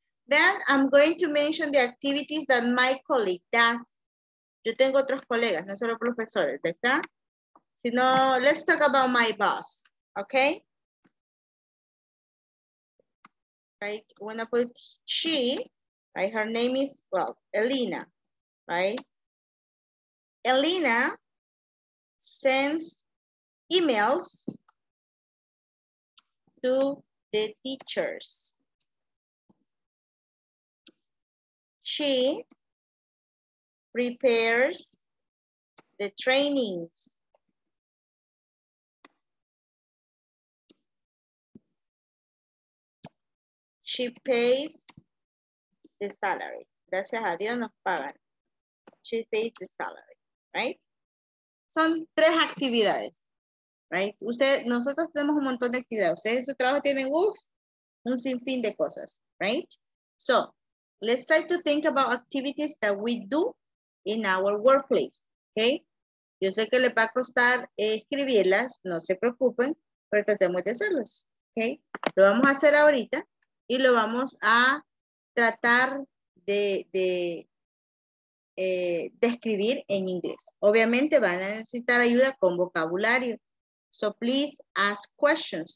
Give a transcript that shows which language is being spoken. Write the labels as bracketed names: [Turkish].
[English] Then I'm going to mention the activities that my colleague does. [Spanish] Yo tengo otros colegas, no solo profesores, ¿verdad? Sino, [English] let's talk about my boss, okay? Right, when I put she, right, her name is, well, Elena, right? Elena sends emails to the teachers. She prepares the trainings. She pays the salary. [Spanish] Gracias a Dios nos pagan. [English] She pays the salary, right? [Spanish] Son tres actividades, [English] right? [Spanish] Usted, nosotros tenemos un montón de actividades. Ustedes en su trabajo tienen, uf, un sinfín de cosas, [English] right? So, let's try to think about activities that we do in our workplace, okay? [Spanish] Yo sé que le va a costar escribirlas, no se preocupen, pero tratemos de hacerlas, okay? Lo vamos a hacer ahorita. Y lo vamos a tratar de escribir en inglés. Obviamente van a necesitar ayuda con vocabulario. [English] So please ask questions.